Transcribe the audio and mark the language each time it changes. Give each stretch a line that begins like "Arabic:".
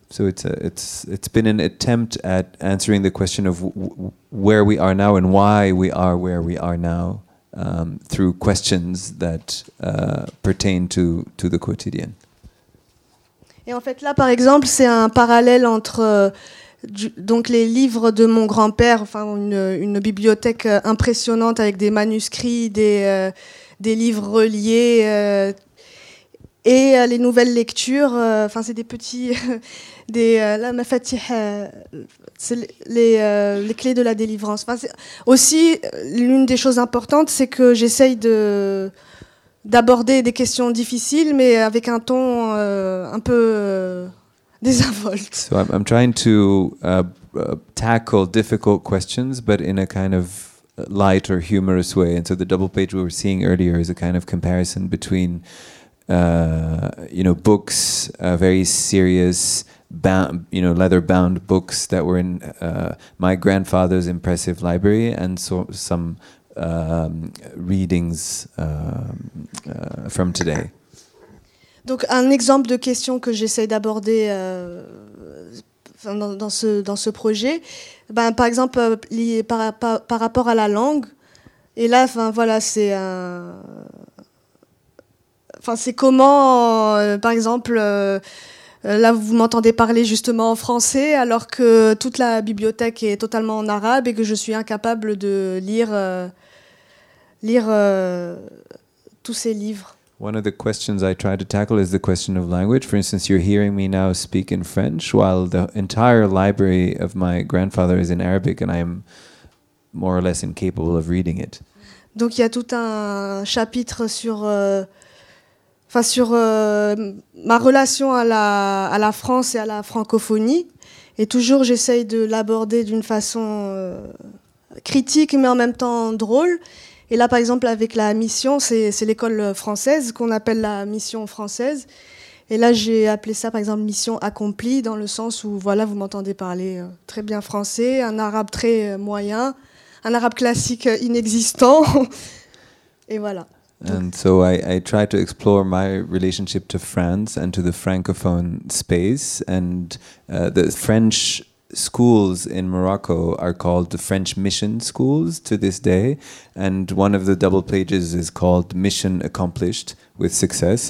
English: So it's been an attempt at answering the question of where we are now and why we are where we are now through questions that pertain to the quotidien.
French: Et en fait, là, par exemple, c'est un parallèle entre donc les livres de mon grand-père, enfin une bibliothèque impressionnante avec des manuscrits, des livres reliés, Et les nouvelles lectures, enfin c'est des petits, des la mafatih, c'est les clés de la délivrance. Enfin aussi l'une des choses importantes, c'est que j'essaye d'aborder des questions difficiles, mais avec un ton un peu désinvolte.
English: So I'm trying to tackle difficult questions, but in a kind of light or humorous way. And so the double page we were seeing earlier is a kind of comparison between books, very serious, leather-bound books that were in my grandfather's impressive library, and some readings from today.
French: Donc un exemple de question que j'essaie d'aborder dans ce projet, ben par exemple lié par rapport à la langue, et là, enfin voilà, c'est un. Enfin, c'est comment, par exemple, là, vous m'entendez parler justement en français, alors que toute la bibliothèque est totalement en arabe et que je suis incapable de lire tous ces livres.
English: One of the questions I try to tackle is the question of language. For instance, you're hearing me now speak in French, while the entire library of my grandfather is in Arabic, and I am more or less incapable of reading it.
French: Donc, il y a tout un chapitre sur ma relation à la France et à la francophonie, et toujours j'essaye de l'aborder d'une façon critique mais en même temps drôle. Et là par exemple avec la mission, c'est l'école française qu'on appelle la mission française, et là j'ai appelé ça par exemple mission accomplie, dans le sens où voilà, vous m'entendez parler très bien français, un arabe très moyen, un arabe classique inexistant, et voilà.
English: And so I try to explore my relationship to France and to the francophone space. And the French schools in Morocco are called the French mission schools to this day. And one of the double pages is called Mission Accomplished with Success.